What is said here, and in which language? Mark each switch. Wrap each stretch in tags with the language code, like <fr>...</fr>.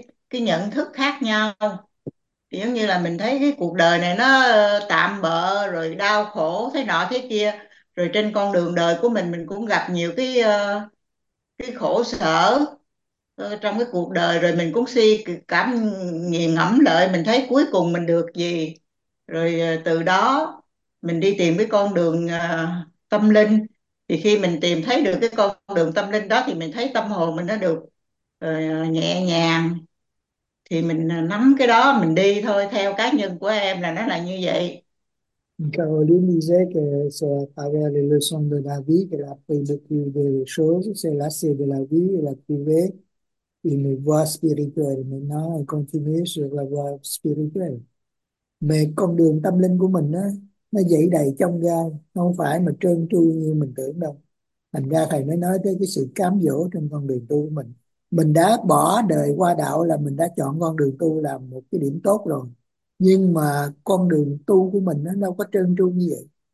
<vi>cái nhận thức khác nhau, thì giống như là mình thấy cái cuộc đời này nó tạm bợ rồi đau khổ thế nọ thế kia, rồi trên con đường đời của mình cũng gặp nhiều cái khổ sở trong cái cuộc đời, rồi mình cũng suy cảm nghiền ngẫm lại mình thấy cuối cùng mình được gì, rồi từ đó mình đi tìm cái con đường tâm linh. Thì khi mình tìm thấy được cái con đường tâm linh đó thì mình thấy tâm hồn mình nó được nhẹ nhàng, thì mình nắm cái đó mình đi thôi. Theo cá nhân của em là nó là như vậy.</vi> <fr>Caroline disait que c'est à travers les leçons de la vie qu'elle a appris beaucoup de choses. C'est lassée de la vie, elle a trouvé une voie spirituelle. Maintenant, elle continue sur la voie spirituelle.</fr> <vi>Mais con đường tâm linh của mình á, nó dậy đầy trong gai, không phải mà trơn tru như mình tưởng đâu. Thành ra thầy mới nói tới cái sự cám dỗ trong con đường tu của mình. Mình đã bỏ đời qua đạo là mình đã chọn con đường tu là một cái điểm tốt rồi. Nhưng mà con đường tu của mình nó đâu có trơn tru như vậy.</vi>